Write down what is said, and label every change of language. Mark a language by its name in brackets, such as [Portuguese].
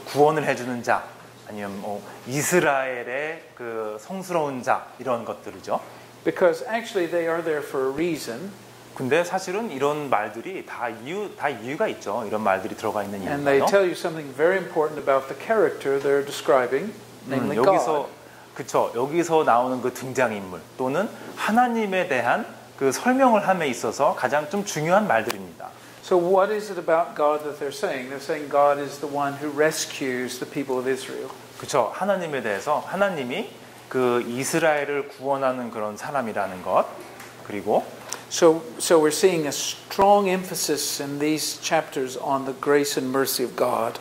[Korean] 구원을 해주는 자, 아니면 뭐 이스라엘의 그 성스러운 자 이런 것들이죠. [English] Because actually they are there for a reason. [Korean] 근데 사실은 이런 말들이 다 이유가 있죠. 이런 말들이 들어가 있는 이유가요. [English] And they tell you something very important about the character they're describing, namely God. [Korean] 여기서 그렇죠. 여기서 나오는 그 등장인물 또는 하나님에 대한 그 설명을 함에 있어서 가장 좀 중요한 말들입니다. [English] So what is it about God that they're saying? They're saying God is the one who rescues the people of Israel. [Korean] 그렇죠. 하나님에 대해서 하나님이 그 이스라엘을 구원하는 그런 사람이라는 것 그리고 [English] So we're seeing a strong emphasis in these chapters on the grace and mercy of God.